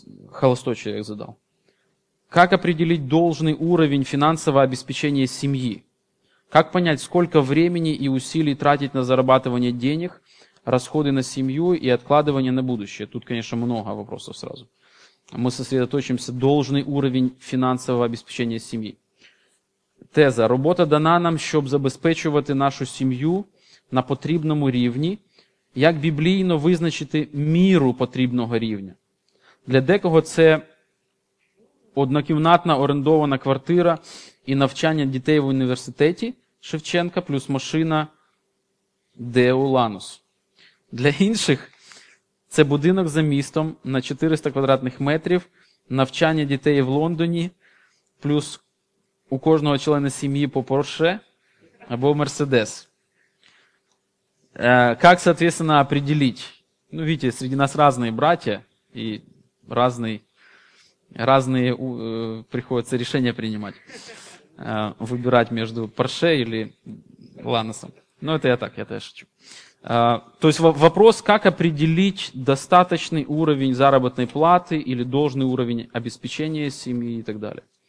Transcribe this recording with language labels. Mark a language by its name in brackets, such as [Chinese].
[Russian] Холостой человек задал. Как определить должный уровень финансового обеспечения семьи? Как понять, сколько времени и усилий тратить на зарабатывание денег, расходы на семью и откладывание на будущее? Тут, конечно, много вопросов сразу. Мы сосредоточимся на должный уровень финансового обеспечения семьи. [Ukrainian] Теза. Робота дана нам, щоб забезпечувати нашу сім'ю на потрібному рівні, як біблійно визначити міру потрібного рівня. Для декого це однокімнатна орендована квартира і навчання дітей в університеті Шевченка плюс машина Deo Lanus. Для інших це будинок за містом на 400 квадратних метрів, навчання дітей в Лондоні плюс у кожного члена сім'ї по Порше або Мерседес. Як, відповідно, [Russian] определить? Ну, видите, среди нас [Ukrainian] різні браття і [Russian] разный разные приходится решения принимать, выбирать между Порше или Ланосом. Но это я так, я тоже шучу. То есть вопрос, как определить достаточный уровень заработной платы или должный уровень обеспечения семьи и так далее.